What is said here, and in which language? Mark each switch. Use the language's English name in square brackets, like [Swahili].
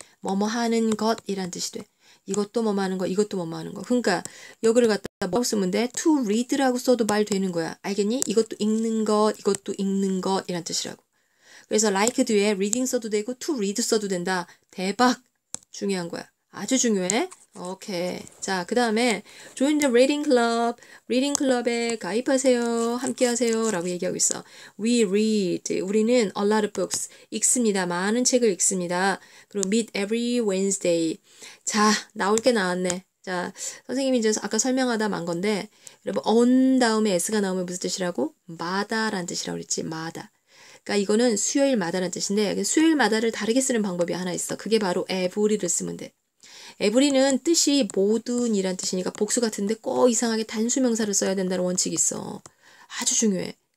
[Korean] 뭐뭐 하는 것이란 뜻이 돼. 이것도 뭐뭐 하는 거, 이것도 뭐뭐 하는 거. 그러니까 여기를 갖다가 뭐 쓰면 돼? to read라고 써도 말 되는 거야. 알겠니? 이것도 읽는 것, 이것도 읽는 것이란 뜻이라고. 그래서 like 뒤에 reading 써도 되고 to read 써도 된다. 대박! 중요한 거야. 아주 중요해. 오케이. 자, 그 다음에 [English] Join the reading club. [Korean] Reading club에 가입하세요. 함께하세요. 라고 얘기하고 있어. [English] We read. 우리는 a lot of books. [Korean] 읽습니다. 많은 책을 읽습니다. [English] 그리고 meet every Wednesday. [Korean] 자, 나올 게 나왔네. 자, 선생님이 이제 아까 설명하다 만 건데, 여러분, on 다음에 s가 나오면 무슨 뜻이라고? 마다라는 뜻이라고 그랬지. 마다. 그러니까 이거는 수요일마다라는 뜻인데, 수요일마다를 다르게 쓰는 방법이 하나 있어. 그게 바로 every를 쓰면 돼. every는 뜻이 모든이란 뜻이니까 복수 같은데 꼭 이상하게 단수 명사를 써야 된다는 원칙이 있어. 아주 중요해.